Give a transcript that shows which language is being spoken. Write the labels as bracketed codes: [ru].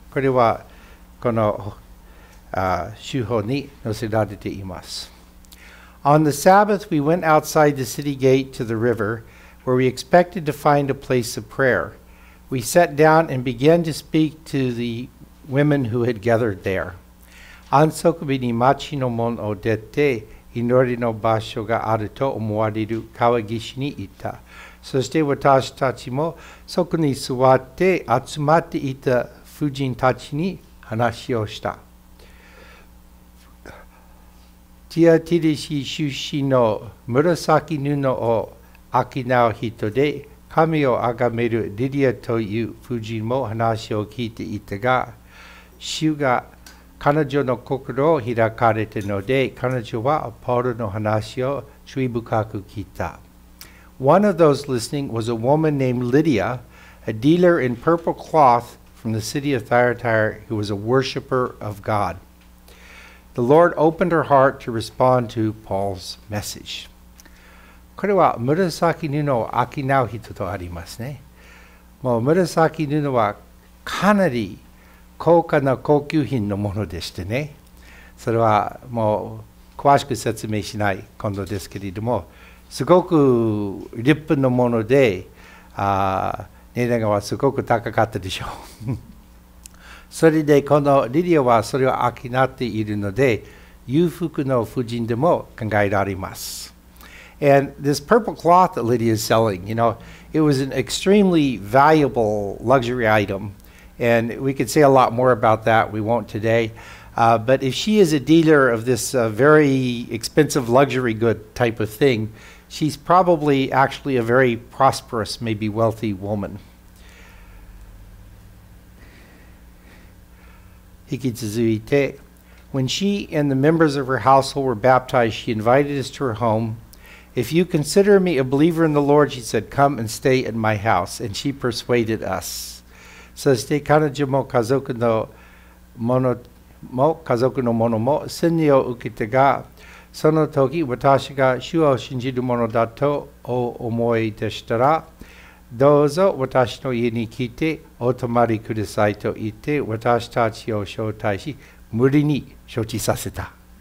[ja] これはこの手法に載せられています。 [en] On the Sabbath, we went outside the city gate to the river, where we expected to find a place of prayer. We sat down and began to speak to the women who had gathered there. [ja] 安息日に町の門を出て、祈りの場所があると思われる川岸に行った。そして私たちもそこに座って集まっていた婦人たちに話をした。ティアティリシ出身の紫布を商う人で、神をあがめるリディアという婦人も話を聞いていたが、主が彼女の心を開かれたので、彼女はポールの話を注意深く聞いた。 [en] One of those listening was a woman named Lydia, a dealer in purple cloth from the city of Thyatira, who was a worshipper of God. The Lord opened her heart to respond to Paul's message. [ja] これは紫布を商う人とありますね。もう紫布はかなり高価な高級品のものでしてね。それはもう詳しく説明しない今度ですけれども、すごく立派なもので、値段はすごく高かったでしょう。それでこのリディアはそれを商っているので、裕福の婦人でも考えられます。 [en] And this purple cloth that Lydia is selling, you know, it was an extremely valuable luxury item. And we could say a lot more about that. We won't today. But if she is a dealer of this very expensive luxury good type of thing, she's probably actually a very prosperous, maybe wealthy woman. [ja] 引き続いて、 [en] When she and the members of her household were baptized, she invited us to her home. If you consider me a believer in the Lord, she said, come and stay at my house. And she persuaded us. [ja] そして彼女も家族のものも洗礼を受けたが、その時私が主を信じるものだと思い出したら、どうぞ私の家に来てお泊まりくださいと言って、私たちを招待し無理に承知させた。